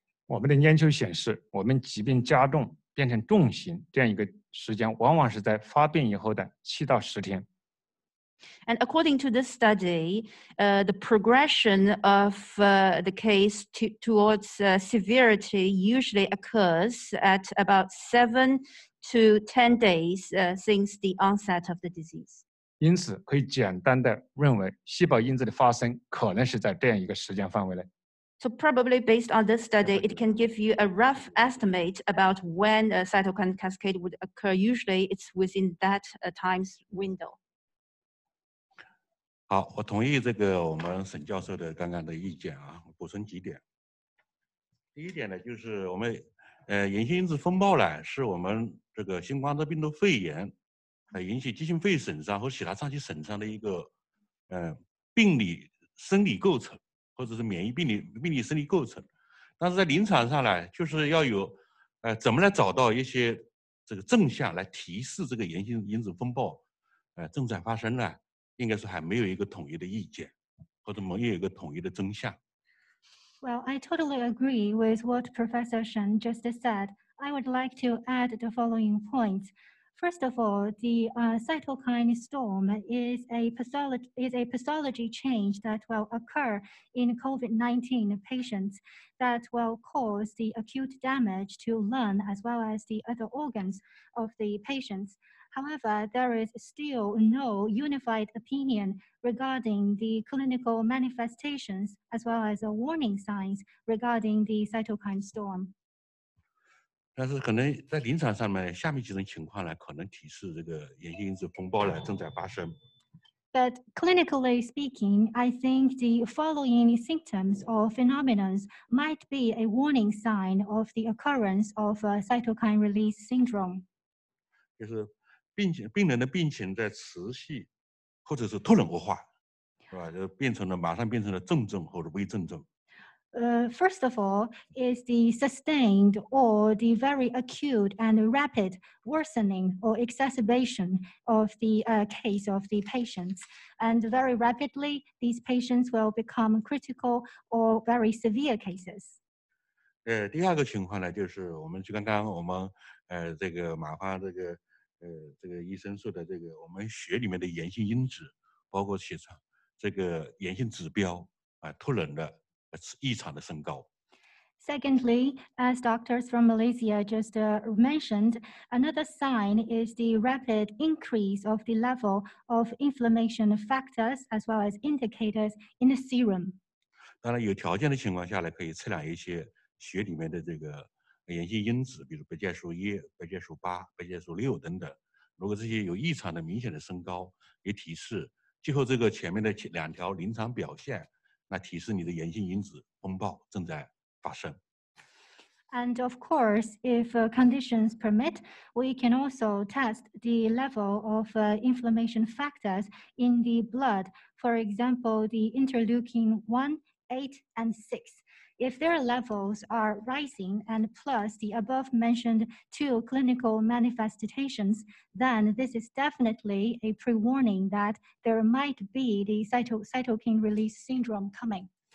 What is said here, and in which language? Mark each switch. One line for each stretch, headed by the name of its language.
Chinese: 我们的研究显示，我们疾病加重变成重型这样一个时间往往是在发病以后的七到十天。
English: And according to this study, the progression of the case towards severity usually occurs at about 7 to 10 days since the onset of the disease.
Chinese: 因此，可以简单的认为，细胞因子的发生可能是在这样一个时间范围内。
English: So probably based on this study, it can give you a rough estimate about when a cytokine cascade would occur. Usually it's within that time window.
Chinese: 好，我同意这个我们沈教授的刚刚的意见啊，补充几点。第一点呢，就是我们炎性因子风暴呢，是我们这个新冠状病毒肺炎引起急性肺损伤和其他脏器损伤的一个病理生理构成，或者是免疫病理生理构成。但是在临床上呢，就是要有怎么来找到一些这个正向来提示这个炎性因子风暴正在发生呢。应该是还没有一个统一的意见，或者没有一个统一的真相。
English: Well, I totally agree with what Professor Shen just said. I would like to add the following points. First of all, the cytokine storm is a pathology change that will occur in COVID-19 patients that will cause the acute damage to lung as well as the other organs of the patients. However, there is still no unified opinion regarding the clinical manifestations as well as the warning signs regarding the cytokine storm.
Chinese: 但是可能在临床上面，下面几种情况呢，可能提示这个炎性因子风暴呢正在发生。
English: But clinically speaking, I think the following symptoms or phenomena might be a warning sign of the occurrence of a cytokine release syndrome.
Chinese: 就是病人的病情在持续或者是突然恶化，是吧？就变成了马上变成了重症或者微重症。
English: First of all, is the sustained or the very acute and rapid worsening or exacerbation of the case of the patients. And very rapidly, these patients will become critical or very severe cases.
Chinese: 第二个情况呢，就是我们就刚刚我们这个马化这个。这个医生说的这个我们血里面的炎性因子包括血常这个炎性指标突然的异常的升高。
English: Secondly, as doctors from Malaysia just mentioned, another sign is the rapid increase of the level of inflammation factors as well as indicators in the serum.
Chinese: 当然有条件的情况下来可以测量一些血里面的这个炎性因子，比如白介素一、白介素八、白介素六等等，如果这些有异常的明显的升高，也提示最后这个前面的两条临床表现，那提示你的炎性因子风暴正在发生。
English: And of course, if conditions permit, we can also test the level of inflammation factors in the blood. For example, the interleukin 1, 8, and 6. If their levels are rising and plus the above mentioned two clinical manifestations, then this is definitely a pre-warning that there might be the cytokine release syndrome coming.